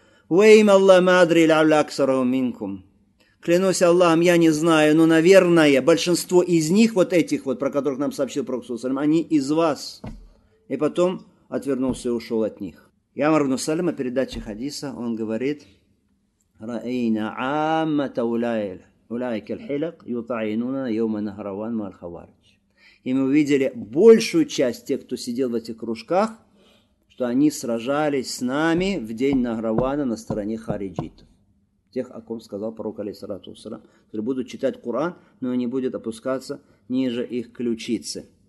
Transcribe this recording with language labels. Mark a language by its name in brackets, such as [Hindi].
[Russian] «Вэйм Аллах мадри ля аляксару минкум». Клянусь Аллахом, я не знаю, но, наверное, большинство из них, вот этих вот, про которых нам сообщил Пророк Саллим, они из вас. И потом отвернулся и ушел от них. Ямар ибн Саллима, передача хадиса, он говорит, [Arabic] رأينا عامة أولئك الحلق يطعنون يوم نهروان مع الخوارج. [Russian] И мы увидели большую часть тех, кто сидел в этих кружках, что они сражались с нами в день Нахравана на стороне хариджитов. Тех, о ком сказал пророк, алейхиссалату вассалям, которые будут читать Коран, но не будет опускаться ниже их ключицы.